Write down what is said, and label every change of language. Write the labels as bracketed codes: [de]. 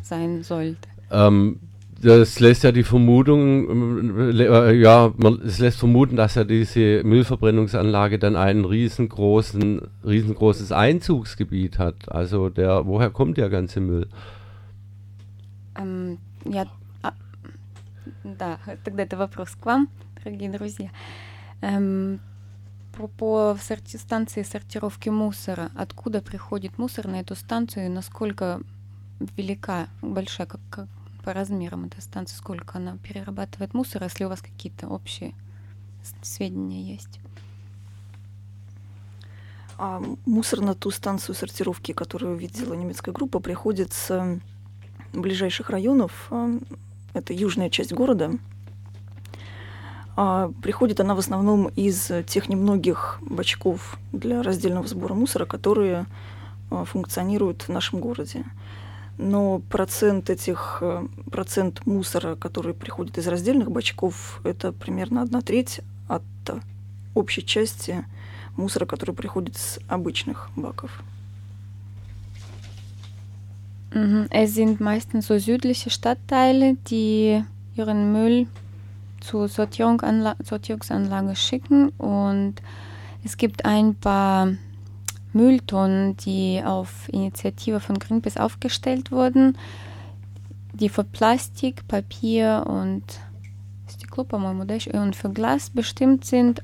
[de] sein sollte. Das lässt ja die Vermutung, ja, es lässt vermuten, dass ja diese Müllverbrennungsanlage dann ein riesengroßes Einzugsgebiet hat. Also woher kommt der ganze Müll? [ru] Ja, да, тогда это вопрос к вам, дорогие друзья. По станции сортировки мусора, откуда приходит мусор на эту станцию, насколько велика, большая, как по размерам эта станция, сколько она перерабатывает мусор, если у вас какие-то общие сведения есть? А мусор на ту станцию сортировки, которую видела немецкая группа, приходит с ближайших районов, это южная часть города. Приходит она в основном из тех немногих бачков для раздельного сбора мусора, которые функционируют в нашем городе. Но процент мусора, который приходит из раздельных бачков, это примерно одна треть от общей части мусора, который приходит с обычных баков. [de] Es sind meistens so südliche Stadtteile, die ihren Müll zur Sortierungsanlage schicken. Und es gibt ein paar Mülltonnen, die auf Initiative von Greenpeace aufgestellt wurden, die für Plastik, Papier und Stiklo, und für Glas bestimmt sind.